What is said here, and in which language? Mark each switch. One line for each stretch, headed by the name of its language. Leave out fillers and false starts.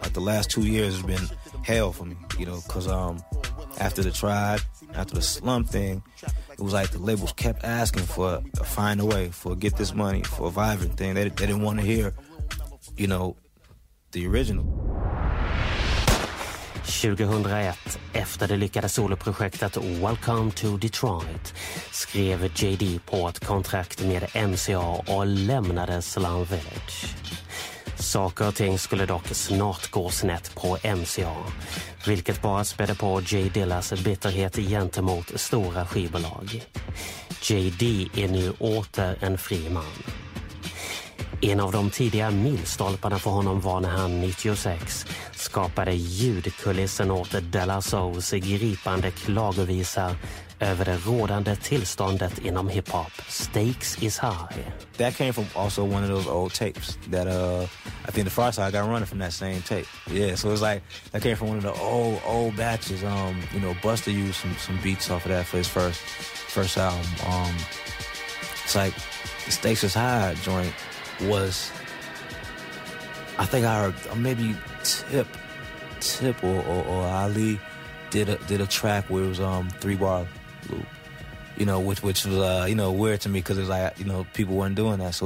English: Like, the last 2 years has been hell for me, you know, because after the Tribe, after the Slum thing, it was like the labels kept asking for a Find a Way, for a Get This Money, for a Vibrant thing. They didn't want to hear, you know, the original.
Swedish: 2001, efter det lyckade soloprojektet Welcome to Detroit, skrev JD på ett kontrakt med MCA och lämnade Slum Village. Saker och ting skulle dock snart gå snett på MCA, vilket bara spädde på J. Dillas bitterhet gentemot stora skivbolag. JD är nu åter en fri man. En av de tidiga milstolparna för honom var när han 96 skapade ljudkulissen åt De La Soul's gripande klagovisa över det rådande tillståndet inom hiphop. Stakes is high.
English: That came from also one of those old tapes that I think the Far Side got running from that same tape. Yeah, so it was like that came from one of the old batches. You know, Busta used some beats off of that for his first album. It's like Stakes is High joint. Was, I think our maybe Tip or Ali did a track where it was three bar loop, you know, which was you know, weird to me because it was like, you know, people weren't doing that.